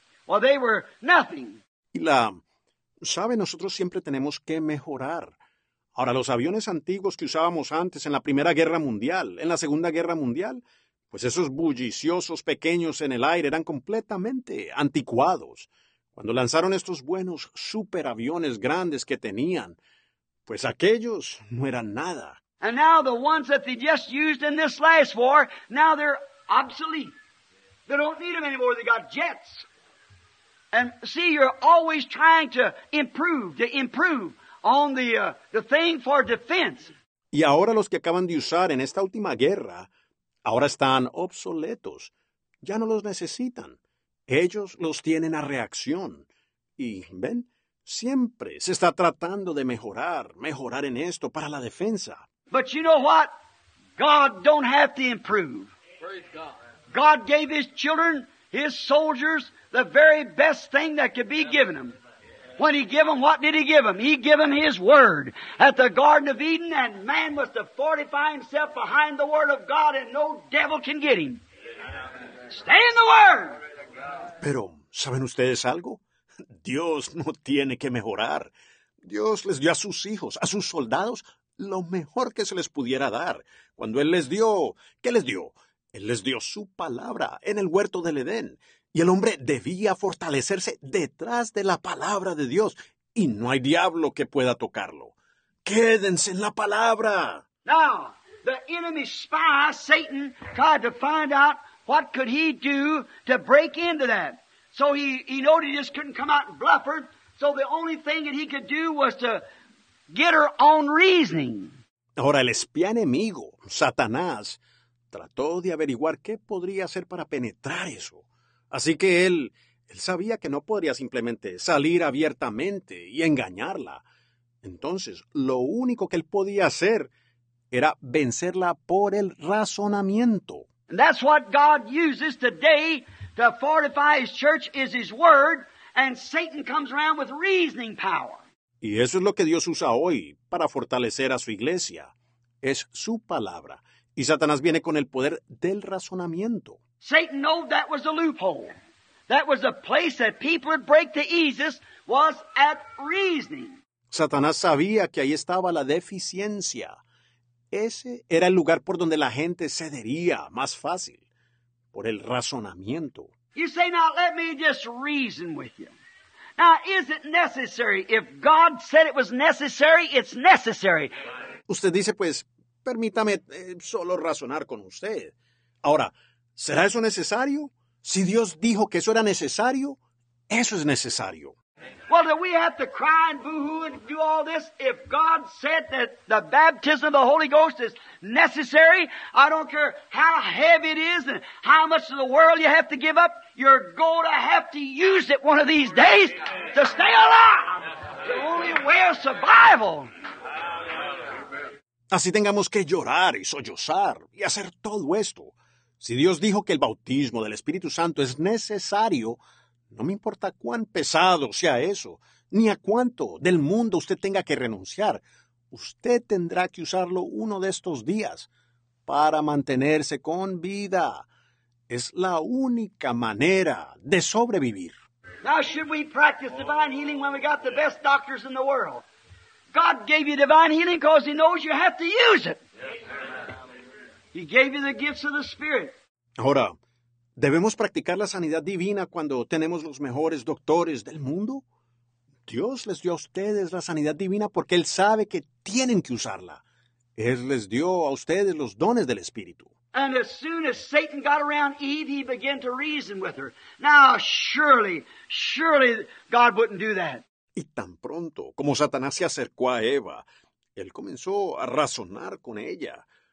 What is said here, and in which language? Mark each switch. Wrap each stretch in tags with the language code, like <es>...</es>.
<en>Well, they were nothing.</en> <es>¿Sabe? Nosotros siempre tenemos que mejorar. Ahora, los aviones antiguos que usábamos antes en la Primera Guerra Mundial, en la Segunda Guerra Mundial, pues esos bulliciosos pequeños en el aire eran completamente anticuados. Cuando lanzaron estos buenos superaviones grandes que tenían, pues aquellos no eran nada.</es> <en>And now the ones that they just used in this last war, now they're obsolete. They don't need them anymore. They got jets. And see, you're always trying to improve on the thing for defense.</en> <es>Y ahora los que acaban de usar en esta última guerra, ahora están obsoletos. Ya no los necesitan. Ellos los tienen a reacción. Y, ¿ven? Siempre se está tratando de mejorar en esto para la defensa.</es> <en>But you know what? God don't have to improve. God gave His children, His soldiers, the very best thing that could be given them. When He gave them, what did He give them? He gave them His Word at the Garden of Eden, and man was to fortify himself behind the Word of God, and no devil can get him. Stay in the Word!</en> <es>Pero, ¿saben ustedes algo? Dios no tiene que mejorar. Dios les dio a sus hijos, a sus soldados, lo mejor que se les pudiera dar. Cuando Él les dio, ¿qué les dio? Él les dio su palabra en el huerto del Edén. Y el hombre debía fortalecerse detrás de la palabra de Dios. Y no hay diablo que pueda tocarlo. ¡Quédense en la palabra!</es> <en>Now, the enemy spy, Satan, tried to find out what could he do to break into that. So he knew he just couldn't come out and bluff her. So the only thing that he could do was to get her on reasoning.</en> <es>Ahora, el espía enemigo, Satanás, trató de averiguar qué podría hacer para penetrar eso. Así que él sabía que no podría simplemente salir abiertamente y engañarla. Entonces, lo único que él podía hacer era vencerla por el razonamiento.</es> <en>And that's what God uses today to fortify His church is His Word, and Satan comes around with reasoning power.</en> <es>Y eso es lo que Dios usa hoy para fortalecer a su iglesia. Es su palabra. Y Satanás viene con el poder del razonamiento.</es> <en>Satan knew that was a loophole. That was a place that people would break the easiest was at reasoning.</en> <es>Satanás sabía que ahí estaba la deficiencia. Ese era el lugar por donde la gente cedería más fácil, por el razonamiento.</es> <en>You say, now let me just reason with you. Now, is it necessary? If God said it was necessary, it's necessary.</en> <es>Usted dice, pues, permítame solo razonar con usted. Ahora, ¿será eso necesario? Si Dios dijo que eso era necesario, eso es necesario.</es> <en>Well, do we have to cry and boo-hoo and do all this? If God said that the baptism of the Holy Ghost is necessary, I don't care how heavy it is and how much of the world you have to give up, you're going to have to use it one of these days to stay alive. The only way of survival.</en> <es>Así tengamos que llorar y sollozar y hacer todo esto. Si Dios dijo que el bautismo del Espíritu Santo es necesario, no me importa cuán pesado sea eso, ni a cuánto del mundo usted tenga que renunciar, usted tendrá que usarlo uno de estos días para mantenerse con vida. Es la única manera de sobrevivir.</es> <en>Now, should we practice divine healing when we got the best doctors in the world? God gave you divine healing because He knows you have to use it. He gave you the gifts of the Spirit.</en> <es>Ahora, ¿debemos practicar la sanidad divina cuando tenemos los mejores doctores del mundo? Dios les dio a ustedes la sanidad divina porque Él sabe que tienen que usarla. Él les dio a ustedes los dones del Espíritu.</es> <en>And as soon as Satan got around Eve, he began to reason with her. Now, surely God wouldn't do that.</en> <es>Y tan pronto como Satanás se acercó a Eva, él comenzó a razonar con ella.</es>